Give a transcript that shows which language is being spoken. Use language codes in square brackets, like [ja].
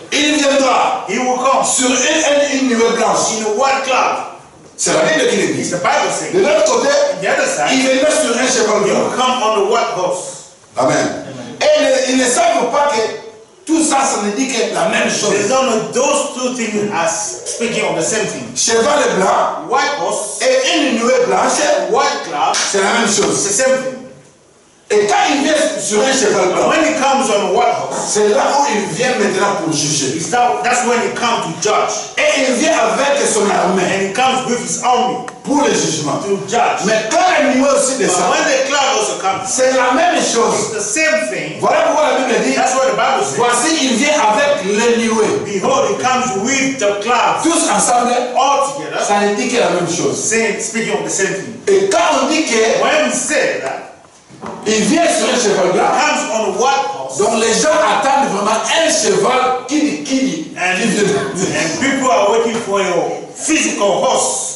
[fr] Il viendra. [en] He will come. [fr] Sur une nouvelle blanche. [en] In a white cloud. [fr] C'est la Bible qui le dit. [en] The Bible says. [fr] De l'autre côté, [en] the other side, [fr] il viendra sur un cheval blanc. [en] He will come on the white horse. [fr] Amen. [en] Amen. [fr] Et ils ne savent pas que tout ça, ça ne dit que la même chose. [en] They don't know those two things as speaking of the same thing. [fr] Cheval blanc, [en] white horse, [fr] et une nouvelle blanche, [en] white cloud. [fr] C'est la même chose. [en] It's the same thing. [fr] Et quand il vient sur un cheval blanc, [en] when he comes on a white horse, [fr] c'est là où il vient maintenant pour juger. [en] That's when he comes to judge. [fr] Et il vient avec son armée. [en] And he comes with his army. [fr] Pour le jugement. [en] To judge. [fr] Mais quand la nuée aussi descend, [en] when the cloud also comes, [fr] c'est la même chose. [en] It's the same thing. [fr] Voilà pourquoi la Bible dit. [en] That's what the Bible says. [fr] Voici, il vient avec la nuée. [en] Behold, he comes with the cloud. [fr] Tous ensemble, [en] all together. [fr] Ça ne dit que la même chose. [en] Speaking of the same thing. [fr] Et quand on dit que, [en] when we say that. [fr] Il vient sur un cheval blanc. [en] He comes on a white horse. [fr] Donc les gens attendent vraiment un cheval qui dit. [en] And people are waiting for your physical horse.